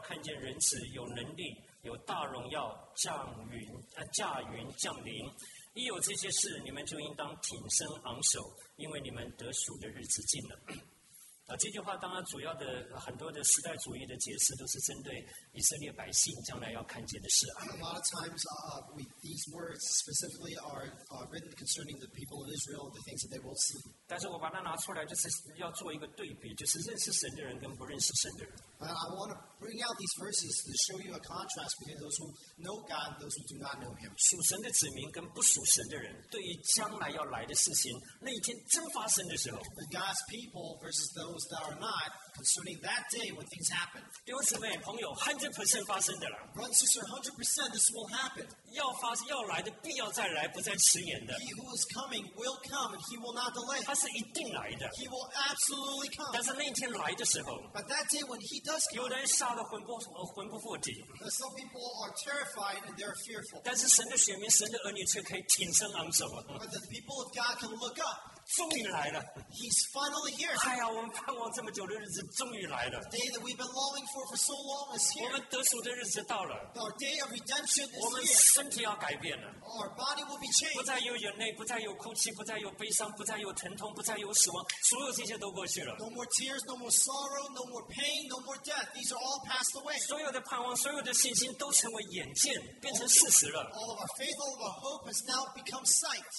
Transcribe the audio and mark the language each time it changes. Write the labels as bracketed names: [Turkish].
[Chinese] 其实应该读更长的，我们没有时间，我们就从25节，只要我读就好了哈。日月星辰要显出异兆，地上的邦国也有困苦，因为海中波浪的响声就惶惶不定，天使都要震动，人想起那将要临到世界的事，就都吓得魂不附体。那时他们要看见人子有能力。有大荣耀降临，一有这些事，你们就应当挺身昂首，因为你们得赎的日子近了。这句话当然主要的很多的时代主义的解释都是针对以色列百姓将来要看见的事。 [English] A lot of times, these words specifically are written concerning the people of Israel, the things that they will see. [Chinese] 但是我把它拿出来，就是要做一个对比，就是认识神的人跟不认识神的人。 [English] I want to bring out these verses to show you a contrast between those who know God and those who do not know Him. [Chinese] 属神的子民跟不属神的人，对于将来要来的事情，那一天真发生的时候。 [English] God's people versus those that are not. concerning that day when things happen. [Chinese] 弟兄姊妹朋友, 100% 发生的了, [English] brother and sister, 100% this will happen. [Chinese] 要发,要来的,必要再来, [English] he who is coming will come and he will not delay. [Chinese] 他是一定来的, [English] he will absolutely come. [Chinese] 但是那天来的时候, [English] but that day when he does come, [Chinese] 有人杀得魂不附体, [English] some people are terrified and they're fearful. [Chinese] 但是神的选民, 神的儿女却可以挺身而走, [English] but the people of God can look up. [Chinese] 终于来了, [English] he's finally here. [Chinese] 哎呀, 我们盼望这么久的日子终于来了, [English] the day that we've been longing for so long is here. [Chinese] 我们得赎的日子到了, [English] our day of redemption is here. [Chinese] 我们身体要改变了, [English] our body will be changed. [Chinese] 不再有眼泪, 不再有哭泣, 不再有悲伤, 不再有疼痛, 不再有死亡, 所有这些都过去了, [English] no more tears, no more sorrow, no more pain, no more death. These are all passed away. [Chinese] 所有的盼望, 所有的信心, 都成为眼见, 变成事实了, [English] all of our faith, all of our hope has now become sight.